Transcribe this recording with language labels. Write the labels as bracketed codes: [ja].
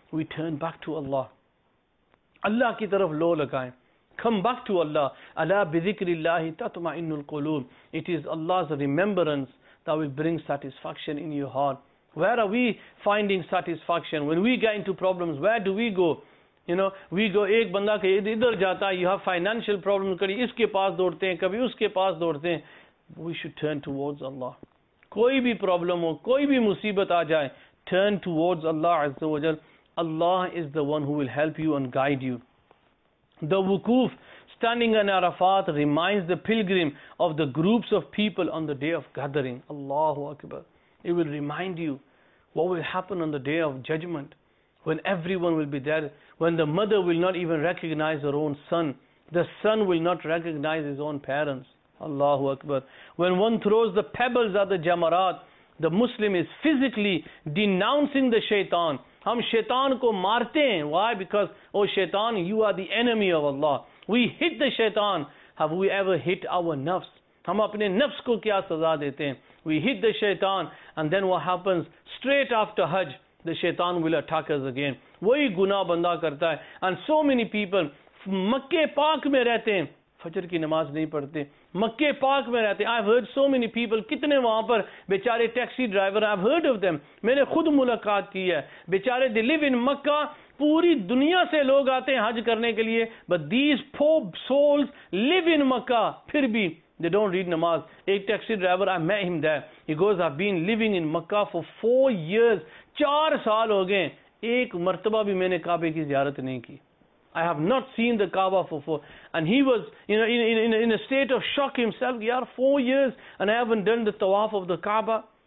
[en] We turn back to Allah. [ur] Allah ki taraf lo lagayin. [en] Come back to Allah. [ar] Ala bi dhikrillahi tatma'innul qulub. [en] It is Allah's remembrance that will bring satisfaction in your heart. Where are we finding satisfaction? When we get into problems, where do we go? You know, we go, [ur] ایک بندہ کے ادھر جاتا، [en] you have financial problems، [ur] کبھی اس کے پاس دوڑتے ہیں، کبھی اس کے پاس دوڑتے ہیں۔ [en] We should turn towards Allah. [ur] Koi bhi problem ho, koi bhi musibat a jaye, [en] turn towards Allah Azza wa Jal. Allah is the one who will help you and guide you. The wukuf, Standing on Arafat reminds the pilgrim of the groups of people on the day of gathering. Allahu Akbar. It will remind you what will happen on the day of judgment, when everyone will be there, when the mother will not even recognize her own son, the son will not recognize his own parents. Allahu Akbar. When one throws the pebbles at the Jamarat, the Muslim is physically denouncing the shaitan. [ur] ہم شیطان کو مارتے ہیں۔ [en] Why? Because, oh shaitan, you are the enemy of Allah. We hit the shaitan. Have we ever hit our nafs? [ur] ہم اپنے نفس کو کیا سزا دیتے ہیں؟ [en] We hit the shaitan. And then what happens? Straight after Hajj, the shaitan will attack us again. [ur] وہی گناہ بندہ کرتا ہے۔ [en] And so many people, [ur] Mecca park میں رہتے ہیں۔ فجر کی نماز نہیں پڑھتے۔ مکہ پارک میں رہتے۔ [en] I've heard so many people. [ur] کتنے وہاں پر بیچارے taxi driver. [en] I've heard of them. [ur] میں نے خود ملاقات کی ہے۔ بیچارے، [en] they live in Makkah. [ur] پوری دنیا سے لوگ آتے ہیں حج کرنے کے لیے۔ [en] But these poor souls live in Makkah. [ur] Phir bhi, [en] they don't read namaz. Ek taxi driver, I met him there. He goes, I've been living in Makkah for 4 years. [ur] 4 سال ہو گئے۔ ایک مرتبہ بھی میں نے کعبے کی زیارت نہیں کی۔ [en] I have not seen the Kaaba for 4 years. And he was in a state of shock himself. Yaar, 4 years and I haven't done the tawaf of the Kaaba.